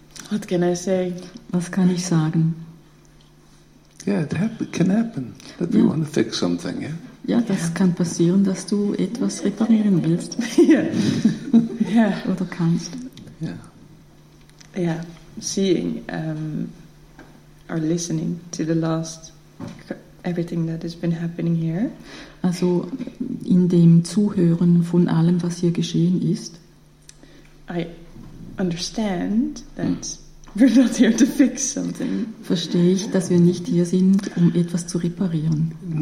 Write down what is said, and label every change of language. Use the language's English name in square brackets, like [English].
[English] What can I say? [German] Was kann ich sagen? [English] Yeah, it can happen. That we want to fix something, yeah? [German] Ja, das kann passieren, dass du etwas reparieren willst. [English] Yeah. [German] Oder kannst. [English] Yeah. Yeah, seeing or listening to the last everything that has been happening here. [German] Also in dem Zuhören von allem, was hier geschehen ist. [English] I understand that we're not here to fix something. [German] Verstehe ich, dass wir nicht hier sind, um etwas zu reparieren.